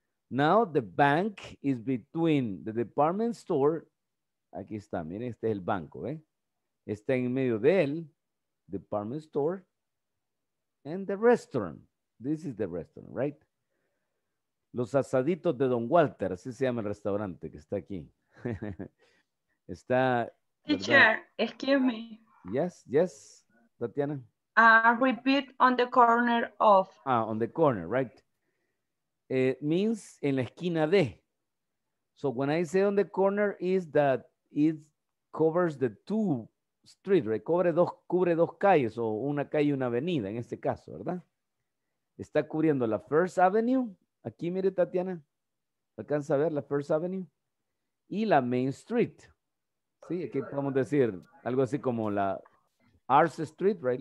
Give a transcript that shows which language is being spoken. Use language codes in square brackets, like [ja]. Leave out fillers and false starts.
[en] Now, the bank is between the department store. [es] Aquí está, miren, este es el banco, ¿eh? Está en medio del [en] department store and the restaurant. This is the restaurant, right? [es] Los asaditos de Don Walter, así se llama el restaurante que está aquí. Está, [en] teacher, excuse me. Yes, yes, Tatiana. Repeat on the corner of. On the corner, right? It means [es] en la esquina de. [en] So when I say on the corner is that it covers the two street, right? [es] cubre dos calles o una calle y una avenida en este caso, ¿verdad? Está cubriendo la First Avenue, aquí mire Tatiana, alcanza a ver la First Avenue, y la Main Street, ¿sí? Aquí podemos decir algo así como la Arce Street, right?